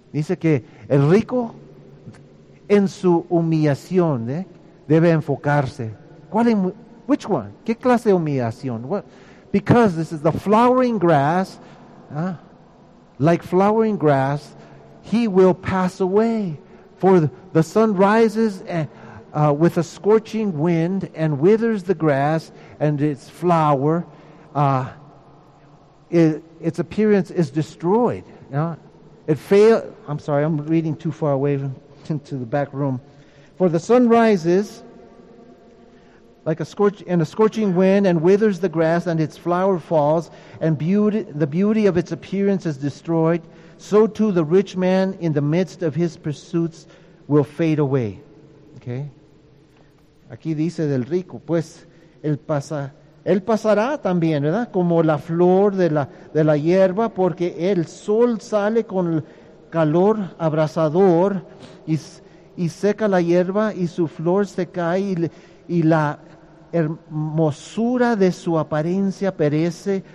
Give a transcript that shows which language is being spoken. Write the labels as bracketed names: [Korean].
[Spanish] Dice que el rico en su humillación debe enfocarse. ¿Cuál es? [English] Which one? [Spanish] ¿Qué clase de humillación? [English] What? Because this is the flowering grass, like flowering grass, he will pass away. For the sun rises with a scorching wind and withers the grass and its flower. Its appearance is destroyed. I'm reading too far away into the back room. For the sun rises like a scorching wind and withers the grass and its flower falls, and the beauty of its appearance is destroyed. So too the rich man in the midst of his pursuits will fade away. Okay. [Spanish] Aquí dice del rico, pues él pasará también, ¿verdad? Como la flor de la hierba, porque el sol sale con calor abrasador y seca la hierba y su flor se cae y la hermosura de su apariencia perece.